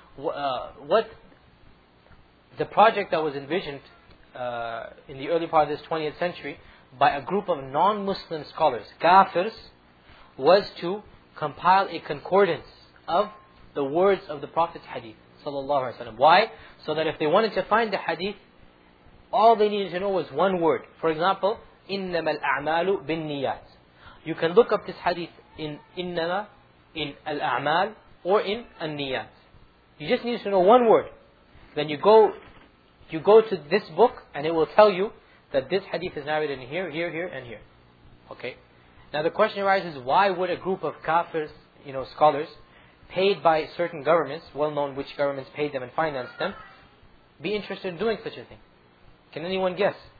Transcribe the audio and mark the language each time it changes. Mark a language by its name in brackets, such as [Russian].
[English] What the project that was envisioned in the early part of this 20th century, by a group of non-Muslim scholars, kafirs, was to compile a concordance of the words of the Prophet's hadith, sallallahu alaihi wasallam. Why? So that if they wanted to find the hadith, all they needed to know was one word. For example, [Arabic] إِنَّمَا الْأَعْمَالُ بِالنِّيَّاتِ. [English] You can look up this hadith in إِنَّمَا, in الْأَعْمَالُ, or in النِّيَّاتِ. You just need to know one word. Then you go to this book, and it will tell you that this hadith is narrated in here, here, here, and here. Okay? Now the question arises, why would a group of kafirs, you know, scholars, paid by certain governments, well known which governments paid them and financed them, be interested in doing such a thing? Can anyone guess?